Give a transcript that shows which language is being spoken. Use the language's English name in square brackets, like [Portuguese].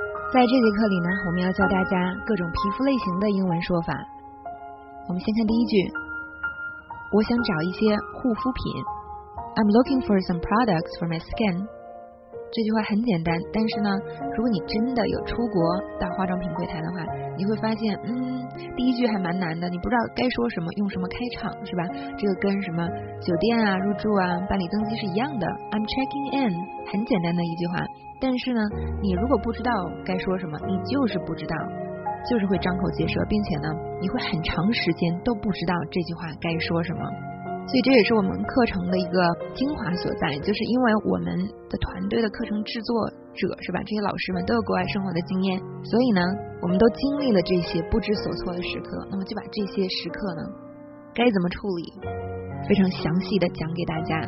[Chinese] 在这节课里呢，我们要教大家各种皮肤类型的英文说法。我们先看第一句，我想找一些护肤品。 [English] I'm looking for some products for my skin。 [Chinese] 这句话很简单，但是呢，如果你真的有出国到化妆品柜台的话，你会发现第一句还蛮难的，你不知道该说什么，用什么开场，是吧？这个跟什么酒店啊、入住啊、办理登机是一样的。 [English] I'm checking in， [Chinese] 很简单的一句话，但是呢，你如果不知道该说什么，你就是不知道，就是会张口结舌，并且呢，你会很长时间都不知道这句话该说什么。所以这也是我们课程的一个精华所在，就是因为我们的团队的课程制作者，是吧，这些老师们都有国外生活的经验，所以呢，我们都经历了这些不知所措的时刻，那么就把这些时刻呢该怎么处理非常详细的讲给大家。